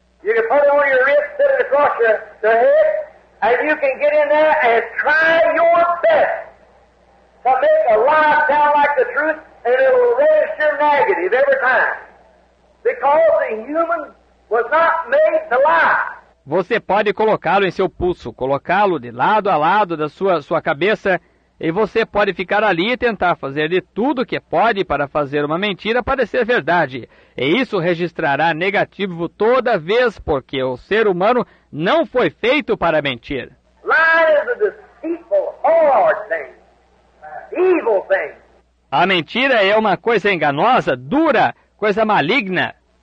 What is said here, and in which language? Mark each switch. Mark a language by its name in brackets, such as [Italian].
[English] You can put it on your wrist, set it across your head, and you can get in there and try your best to make a lie sound like the truth, and it will register negative every time. Because the human was not made to lie. [Portuguese] Você pode colocá-lo em seu pulso, colocá-lo de lado a lado da sua cabeça, e você pode ficar ali e tentar fazer de tudo o que pode para fazer uma mentira parecer verdade. E isso registrará negativo toda vez, porque o ser humano não foi feito para mentir. [English] Lie is a deceitful, hard thing. Evil thing. [Portuguese] A mentira é uma coisa enganosa, dura, coisa maligna.